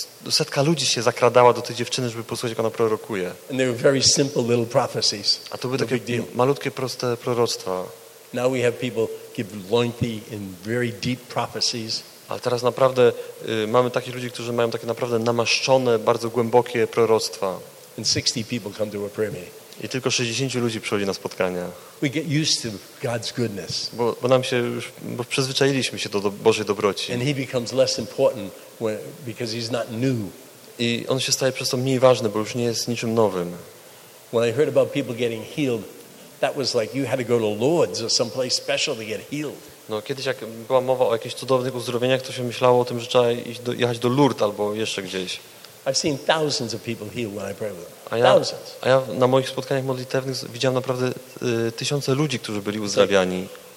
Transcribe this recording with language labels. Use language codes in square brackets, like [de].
[pl] Setka ludzi się zakradała do tej dziewczyny, żeby posłuchać, jak ona prorokuje. [en] And they were very simple little prophecies. [pl] A to były takie malutkie, proste proroctwa. [en] Now we have people give lengthy and very deep prophecies. [pl] A teraz naprawdę mamy takich ludzi, którzy mają takie naprawdę namaszczone, bardzo głębokie proroctwa. [en] And 60 people come to a prayer meeting. [pl] I tylko 60 ludzi przychodzi na spotkania. [en] We get used to God's goodness. [pl] Bo nam się już, bo przyzwyczailiśmy się do Bożej dobroci. [en] And he becomes less important when, because he's not new. [pl] I on się staje przez to mniej ważny, bo już nie jest niczym nowym. [en] When I heard about people getting healed, that was like you had to go to Lourdes or some place special to get healed. [pl] No kiedyś, jak była mowa o jakichś cudownych uzdrowieniach, to się myślało o tym, że trzeba jechać do Lourdes albo jeszcze gdzieś. [en] I've seen thousands of people healed when I pray with them. [pl] A ja na moich spotkaniach modlitewnych widziałem naprawdę tysiące ludzi, którzy byli uzdrawiani.